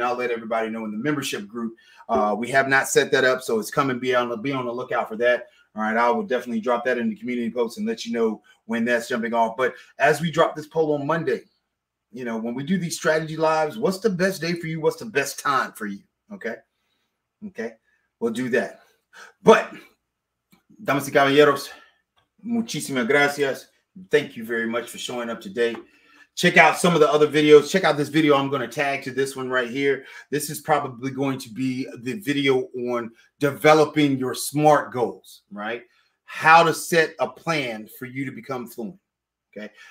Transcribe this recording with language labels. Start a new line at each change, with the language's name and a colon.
English: And I'll let everybody know in the membership group. We have not set that up. So it's coming. Be on the lookout for that. All right, I will definitely drop that in the community post and let you know when that's jumping off. But as we drop this poll on Monday, you know, when we do these strategy lives, what's the best day for you? What's the best time for you? Okay. We'll do that.
Spanish: But, damas y caballeros, muchísimas gracias.
English: Thank you very much for showing up today. Check out some of the other videos. Check out this video I'm going to tag to this one right here. This is probably going to be the video on developing your SMART goals, right? How to set a plan for you to become fluent, okay?